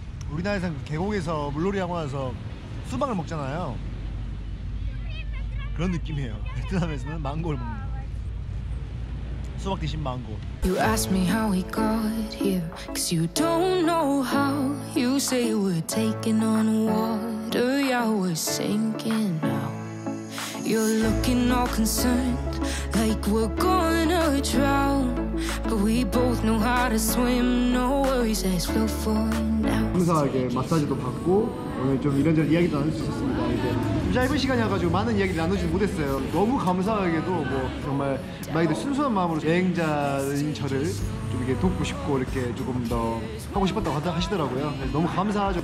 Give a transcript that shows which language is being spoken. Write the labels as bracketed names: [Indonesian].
[Korean] 우리나라에선 계곡에서 물놀이 하고 나서 수박을 먹잖아요. 그런 느낌이에요. 베트남에서는 망고를 먹는 거. 수박 대신 망고. [English] You ask me how we got here, 'cause you don't know how. You say we're taking on water, yeah we're sinking now. You're looking all concerned, like we're gonna drown. But we both know how to swim, no worries, let's float for now. [Korean] 감사하게 마사지도 받고 오늘 좀 이런저런 이야기도 나눌 수 있었습니다. 이제 짧은 시간이어서 많은 이야기를 나누지 못했어요. 너무 감사하게도 뭐 정말 많이들 순수한 마음으로 여행자인 저를 좀 이렇게 돕고 싶고 이렇게 조금 더 하고 싶었다고 하시더라고요. 너무 감사하죠.